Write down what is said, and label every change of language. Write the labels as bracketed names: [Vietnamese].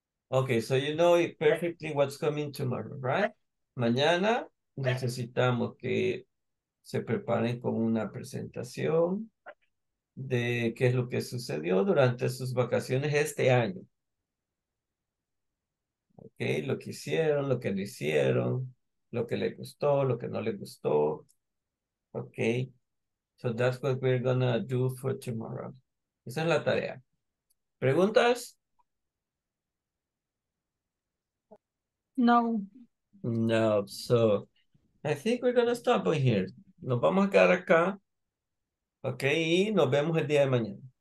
[English] Okay, so you know perfectly what's coming tomorrow, right? [Spanish] Mañana necesitamos que se preparen con una presentación de qué es lo que sucedió durante sus vacaciones este año. Okay, lo que hicieron, lo que no hicieron, lo que le gustó, lo que no le gustó. [English] Okay, so that's what we're gonna do for tomorrow. [Spanish] Esa es la tarea. ¿Preguntas? No. [English] No, so I think we're gonna stop on here. [Spanish] Nos vamos a quedar acá. Okay, y nos vemos el día de mañana.